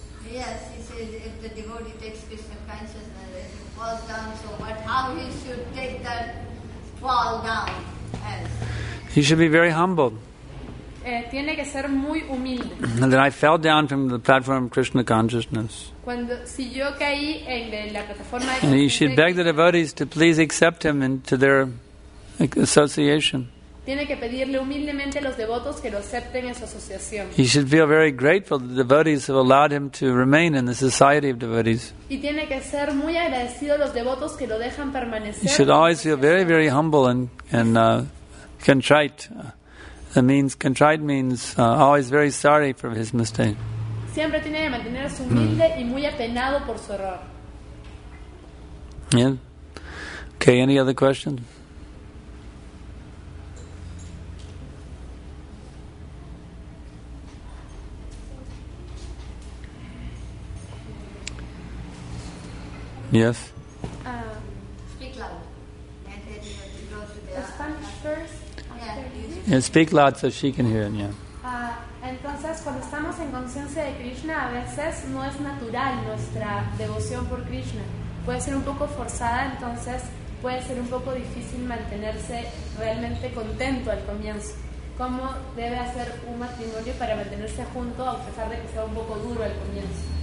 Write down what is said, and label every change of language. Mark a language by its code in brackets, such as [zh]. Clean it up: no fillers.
[en] Yes, he says if the devotee takes Krishna consciousness, if he falls down, so what? How he should take that fall down? As? He should be very humble. [es] Tiene que ser muy humilde. [en] And then I fell down from the platform of Krishna consciousness. [es] Cuando, si yo caí en la plataforma de [en] and he should beg the devotees to please accept him into their association. [es] Tiene que pedirle humildemente a los devotos que lo acepten en su asociación. [en] He should feel very grateful that the devotees have allowed him to remain in the society of devotees. [es] Y tiene que ser muy agradecido a los devotos que lo dejan permanecer. [en] He should always feel very, very humble and contrite. That means contrite means always very sorry for his mistake. [es] Siempre tiene que mantenerse humilde y muy apenado por su error. [en] Yeah. Okay. Any other questions? Yes. Speak loud. And then you go to the Spanish first. And yeah, speak loud so she can hear it, yeah. [es] Entonces, cuando estamos en conciencia de Krishna, a veces no es natural nuestra devoción por Krishna. Puede ser un poco forzada, entonces puede ser un poco difícil mantenerse realmente contento al comienzo. ¿Cómo debe hacer un matrimonio para mantenerse junto a pesar de que sea un poco duro al comienzo?